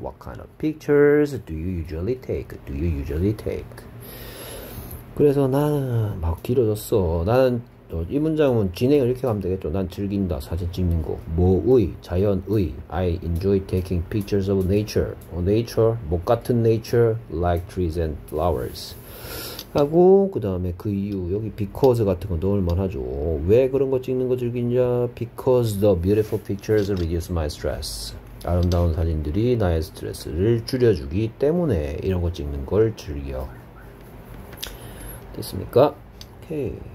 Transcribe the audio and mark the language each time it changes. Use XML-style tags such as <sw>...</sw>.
<en>What kind of pictures do you usually take? Do you usually take?</en> <ko>그래서 나는 막 길어졌어. 나는 이 문장은 진행을 이렇게 하면 되겠죠. 난 즐긴다 사진 찍는 거. 뭐의 자연의.</ko> <en>I enjoy taking pictures of nature. Nature,</en> <ko>못 같은</ko> <en>nature, like trees and flowers.</en> <ko>하고 그 다음에 그 이유 여기 because 같은 거 넣을 만하죠. 왜 그런 거 찍는 거 즐기냐?</ko> <en>Because the beautiful pictures reduce my stress.</en> <ko>아름다운 사진들이 나의 스트레스를 줄여주기 때문에 이런 거 찍는 걸 즐겨. 됐습니까? 오케이.</ko>